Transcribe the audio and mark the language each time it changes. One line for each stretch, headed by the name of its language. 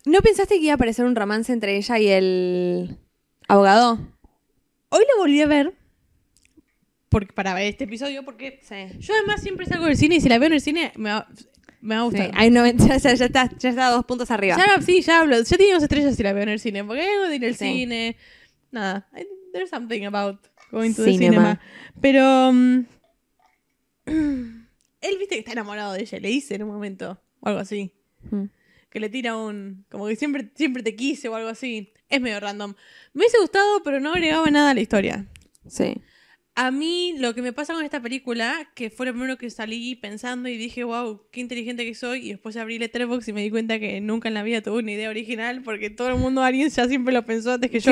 Spanish: ¿No pensaste que iba a aparecer un romance entre ella y el abogado? Hoy lo volví a ver para ver este episodio, porque yo además siempre salgo del cine y si la veo en el cine me va a gustar. Sí, hay 90, ya está 2 puntos arriba. Ya tiene 2 estrellas si la veo en el cine, porque hay en el cine...
English: Nada, there's something about going to cinema. The cinema.
Spanish: Pero él, viste que está enamorado de ella, le dice en un momento, o algo así. Que le tira un, como que siempre te quise o algo así. Es medio random. Me hubiese gustado, pero no agregaba nada a la historia. Sí. A mí, lo que me pasa con esta película, que fue lo primero que salí pensando y dije, wow, qué inteligente que soy, y después abrí Letterboxd y me di cuenta que nunca en la vida tuve una idea original, porque todo el mundo, alguien ya siempre lo pensó antes que yo.